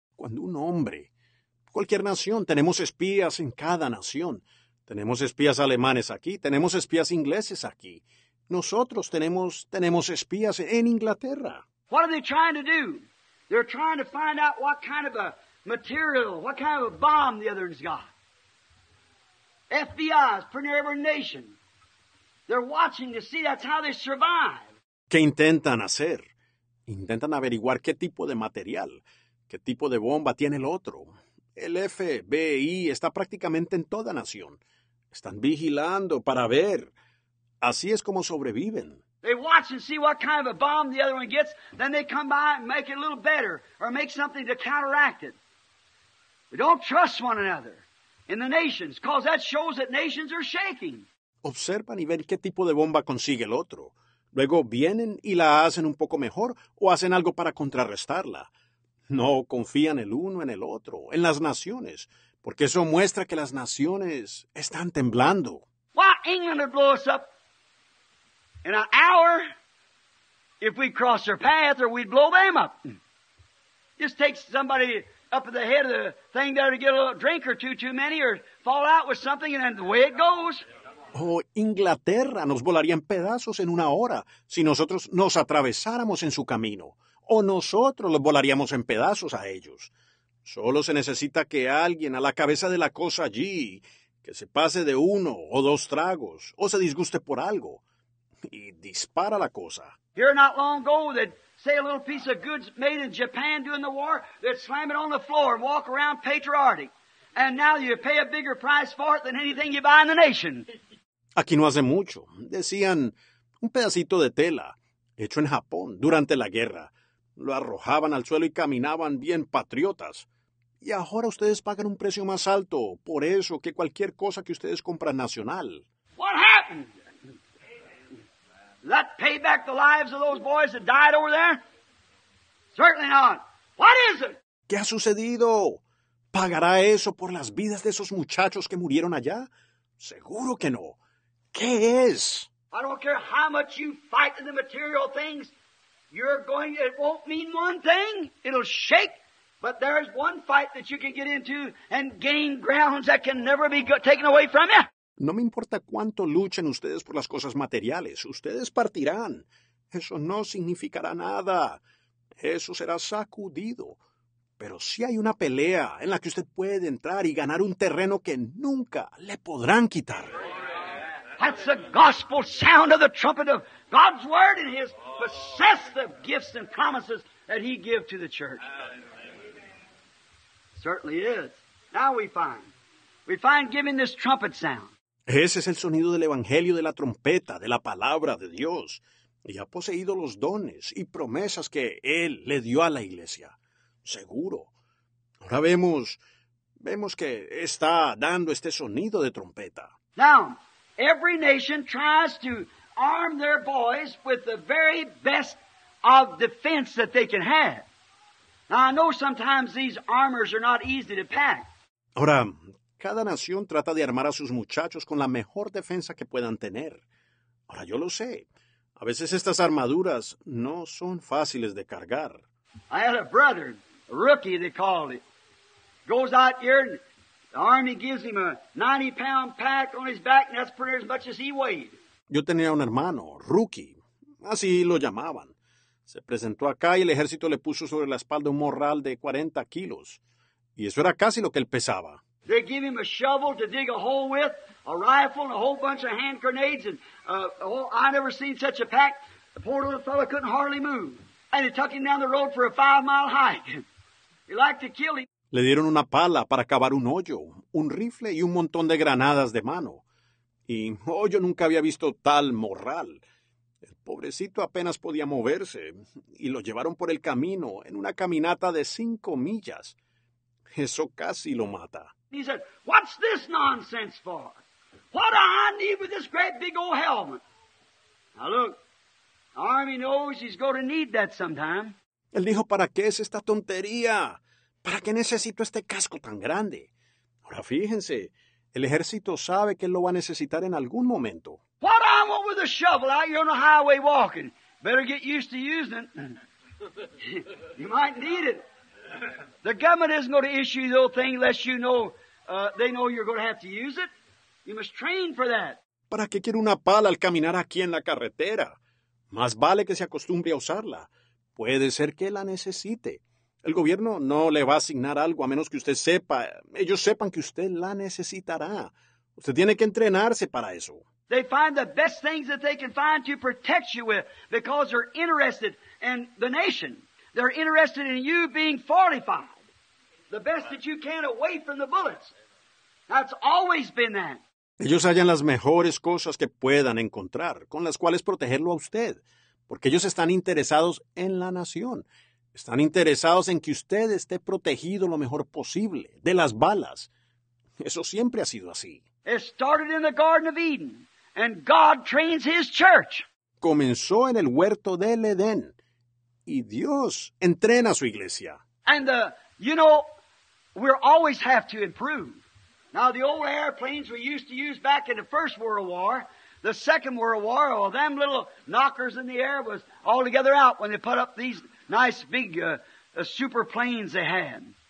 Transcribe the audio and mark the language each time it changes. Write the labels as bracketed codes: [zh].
[es] Cuando un hombre, cualquier nación, tenemos espías en cada nación. Tenemos espías alemanes aquí, tenemos espías ingleses aquí. Nosotros tenemos espías en Inglaterra. [en] What are they trying to do? They're trying to find out what kind of a material, what kind of a bomb the other's got. FBI's, pretty near every nation. They're watching to see that's how they survive. [es] ¿Qué intentan hacer? Intentan averiguar qué tipo de material, qué tipo de bomba tiene el otro. El FBI está prácticamente en toda nación. Están vigilando para ver. Así es como sobreviven. [en] They watch and see what kind of a bomb the other one gets. Then they come by and make it a little better or make something to counteract it. We don't trust one another in the nations because that shows that nations are shaking. [es] Observan y ven qué tipo de bomba consigue el otro. Luego vienen y la hacen un poco mejor o hacen algo para contrarrestarla. No confían el uno en el otro, en las naciones, porque eso muestra que las naciones están temblando. [en] Why England would blow us up in an hour if we cross their path or we'd blow them up. Just takes somebody up at the head of the thing there to get a little drink or two too many or fall out with something, and then the way it goes. [es] Oh, Inglaterra nos volaría en pedazos en una hora si nosotros nos atravesáramos en su camino. O nosotros los volaríamos en pedazos a ellos. Solo se necesita que alguien a la cabeza de la cosa allí, que se pase de uno o dos tragos, o se disguste por algo, y dispara la cosa. [en] Here not long ago, they'd say a little piece of goods made in Japan during the war, they'd slam it on the floor and walk around patriotic. And now you pay a bigger price for it than anything you buy in the nation. [es] Aquí no hace mucho, decían, un pedacito de tela, hecho en Japón durante la guerra. Lo arrojaban al suelo y caminaban bien patriotas. Y ahora ustedes pagan un precio más alto por eso que cualquier cosa que ustedes compran nacional. [en] What happened? Let pay back the lives of those boys that died over there? Certainly not. What is it? [es] ¿Qué ha sucedido? ¿Pagará eso por las vidas de esos muchachos que murieron allá? Seguro que no. ¿Qué es? [en] I don't care how much you fight in the material things. You're going, it won't mean one thing. It'll shake. But there's one fight that you can get into and gain grounds that can never be taken away from you. [es] No me importa cuánto luchen ustedes por las cosas materiales. Ustedes partirán. Eso no significará nada. Eso será sacudido. Pero sí hay una pelea en la que usted puede entrar y ganar un terreno que nunca le podrán quitar. [en] That's the gospel sound of the trumpet of God's word and his possessive gifts and promises that he gave to the church. Certainly is. Now we find giving this trumpet sound. [es] Ese es el sonido del evangelio de la trompeta, de la palabra de Dios. Y ha poseído los dones y promesas que él le dio a la iglesia. Seguro. Ahora vemos que está dando este sonido de trompeta. [en] Now, every nation tries to arm their boys with the very best of defense that they can have. Now, I know sometimes these armors are not easy to pack. [es] Ahora, cada nación trata de armar a sus muchachos con la mejor defensa que puedan tener. Ahora, yo lo sé. A veces estas armaduras no son fáciles de cargar. [en] I had a brother, a rookie, they called it. Goes out here and the army gives him a 90-pound pack on his back, and that's pretty as much as he weighed. [es] Yo tenía un hermano, rookie, así lo llamaban. Se presentó acá y el ejército le puso sobre la espalda un morral de 40 kilos. Y eso era casi lo que él pesaba. [en] They give him a shovel to dig a hole with, a rifle, and a whole bunch of hand grenades. And I never seen such a pack. The poor little fellow couldn't hardly move. And they took him down the road for a 5-mile hike. He liked to kill him. [es] Le dieron una pala para cavar un hoyo, un rifle y un montón de granadas de mano. Y, oh, yo nunca había visto tal morral. El pobrecito apenas podía moverse y lo llevaron por el camino en una caminata de 5 millas. Eso casi lo mata. [en] He said, what's this nonsense for? What do I need with this great big old helmet? Now look, the army knows he's going to need that sometime. [es] Él dijo, ¿para qué es esta tontería? ¿Para qué necesito este casco tan grande? Ahora fíjense, el ejército sabe que lo va a necesitar en algún momento. [en] What I want with a shovel out here on the highway walking? Better get used to using it. You might need it. The government isn't going to issue the old thing unless you know, they know you're going to have to use it. You must train for that. [es] ¿Para qué quiere una pala al caminar aquí en la carretera? Más vale que se acostumbre a usarla. Puede ser que la necesite. El gobierno no le va a asignar algo a menos que usted sepa. Ellos sepan que usted la necesitará. Usted tiene que entrenarse para eso. [en] They find the best things that they can find to protect you with because they're interested in the nation. They're interested in you being fortified the best that you can away from the bullets. That's always been that. [es] Ellos hallan las mejores cosas que puedan encontrar con las cuales protegerlo a usted porque ellos están interesados en la nación. Están interesados en que usted esté protegido lo mejor posible de las balas. Eso siempre ha sido así. [en] It started in the Garden of Eden, and God trains his church. [es] Comenzó en el huerto del Edén, y Dios entrena a su iglesia. [en] And, you know, we always have to improve. Now, the old airplanes we used to use back in the First World War, The Second World War, all them little knockers in the air was all together out when they put up these nice big super planes they had.